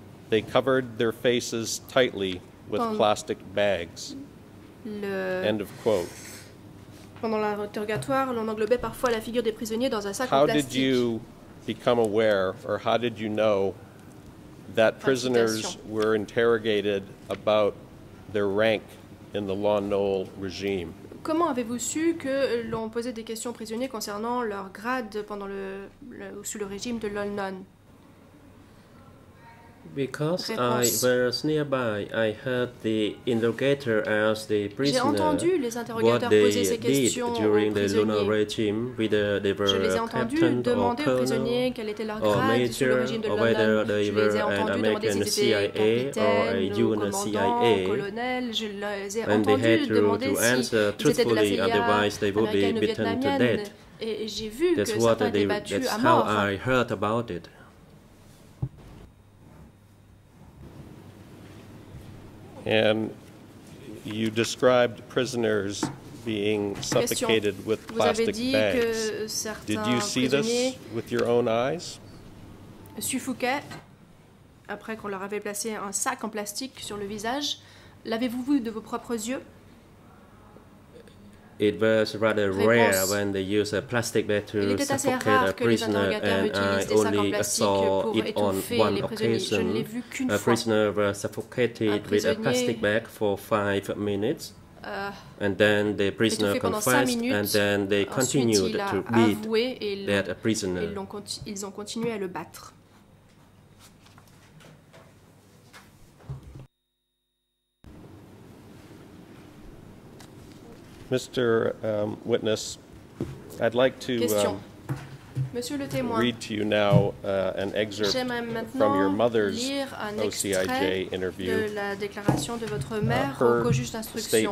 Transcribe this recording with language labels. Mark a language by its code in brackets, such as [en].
[en] They covered their faces tightly with [fr] Pendant [en] plastic bags. [fr] Le... [en] End of quote. [fr] Pendant l'interrogatoire, l'on englobait parfois la figure des prisonniers dans un sac [en] how [fr] en plastique. [en] Did you become aware, or how did you know, that prisoners were interrogated about their rank in the Lon Nol regime? [fr] Comment avez-vous su que l'on posait des questions aux prisonniers concernant leur grade pendant sous le régime de Lon Nol? [en] Because I was nearby, I heard the interrogator ask the prisoner what they did during the lunar regime, whether they were a captain or colonel or major, or whether they were an American CIA or a UN CIA, and they had to answer truthfully, otherwise they would be beaten to death. That's what that's how I heard about it. And you described prisoners being suffocated with plastic bags. Did you see this with your own eyes? [fr] Suffoquaient après qu'on leur avait placé un sac en plastique sur le visage. L'avez-vous vu de vos propres yeux? [en] It was rather rare when they use a plastic bag to suffocate a prisoner, and I only saw it on one occasion. A prisoner was suffocated with a plastic bag for 5 minutes, and then the prisoner confessed, and then they continued to beat that prisoner. [fr] Ils ont continué à le battre. [en] Mr. Witness, I'd like to [fr] Monsieur le témoin, [en] read to you now an excerpt from your mother's OCIJ interview. [fr] De la déclaration de votre mère au co-juge d'instruction.